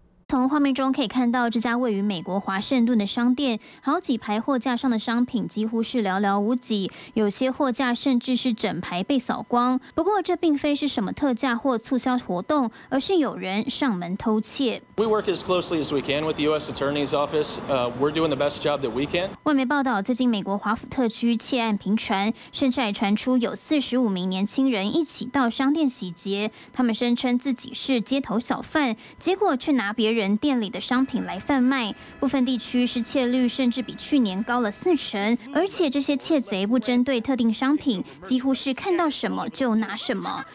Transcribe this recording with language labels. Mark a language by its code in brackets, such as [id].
[zh] 从画面中可以看到，这家位于美国华盛顿的商店，好几排货架上的商品几乎是寥寥无几，有些货架甚至是整排被扫光。不过，这并非是什么特价或促销活动，而是有人上门偷窃。 [en] We work as closely as we can with the U.S. Attorney's Office. We're doing the best job that we can. [zh] 外媒报道，最近美国华府特区窃案频传，甚至还传出有45名年轻人一起到商店洗劫，他们声称自己是街头小贩，结果却拿别人店里的商品来贩卖，部分地区失窃率甚至比去年高了40%，而且这些窃贼不针对特定商品，几乎是看到什么就拿什么。